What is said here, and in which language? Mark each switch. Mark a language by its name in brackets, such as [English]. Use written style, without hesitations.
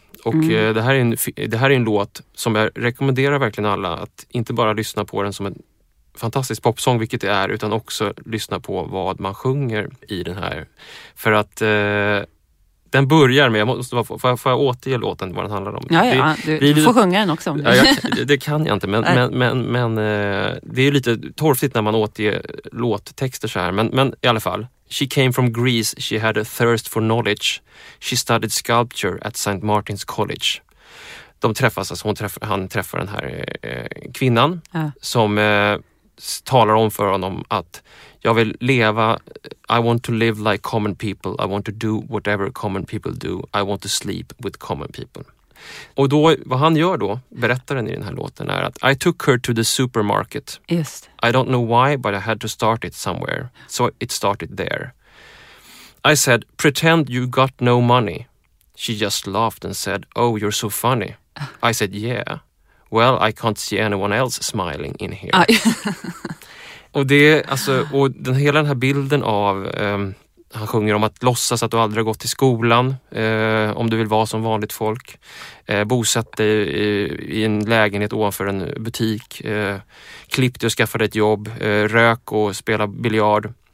[Swedish] Och det här är en låt som jag rekommenderar verkligen alla att inte bara lyssna på den som en fantastisk popsång, vilket det är, utan också lyssna på vad man sjunger i den här. För att den börjar med, får jag återge låten, vad den handlar om? Ja, du får sjunga den också. Ja, det kan jag inte, men det är lite torftigt när man återger låttexter så här. Men i alla fall. [English] She came from Greece, she had a thirst for knowledge. She studied sculpture at St. Martin's College. [Swedish] De träffas, alltså han träffar den här kvinnan som talar om för honom att jag vill leva, [English] I want to live like common people, I want to do whatever common people do, I want to sleep with common people. [Swedish] Och då, vad han gör då, berättaren i den här låten, är att [English] I took her to the supermarket. [Swedish] Just. [English] I don't know why, but I had to start it somewhere. So it started there. I said, pretend you got no money. She just laughed and said, oh, you're so funny. I said, yeah. Well, I can't see anyone else smiling in here. [Swedish] Och det, alltså, och den, hela den här bilden av... han sjunger om att låtsas att du aldrig har gått till skolan, om du vill vara som vanligt folk. Bosätt dig i en lägenhet ovanför en butik. Klipp dig och skaffa dig ett jobb. Rök och spela biljard.